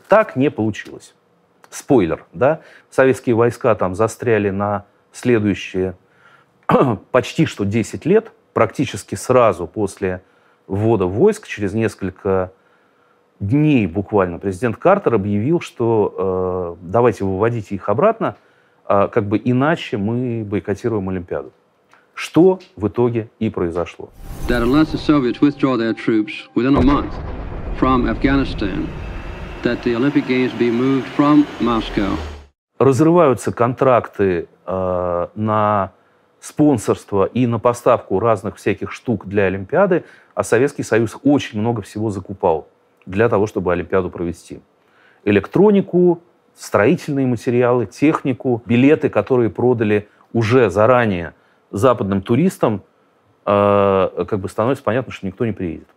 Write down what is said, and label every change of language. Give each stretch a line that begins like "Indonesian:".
Russian: Так не получилось. Спойлер, да? Советские войска там застряли на следующие почти что 10 лет, практически сразу после ввода войск, через несколько дней буквально президент Картер объявил, что давайте выводите их обратно, как бы иначе мы бойкотируем Олимпиаду. Что в итоге и произошло.
English: That unless the Soviets withdraw their troops within a month from Afghanistan, that the Olympic Games be moved from Moscow.
Russian: Разрываются контракты на спонсорство и на поставку разных всяких штук для Олимпиады, а Советский Союз очень много всего закупал для того, чтобы Олимпиаду провести. Электронику, строительные материалы, технику, билеты, которые продали уже заранее западным туристам, как бы становится понятно, что никто не приедет.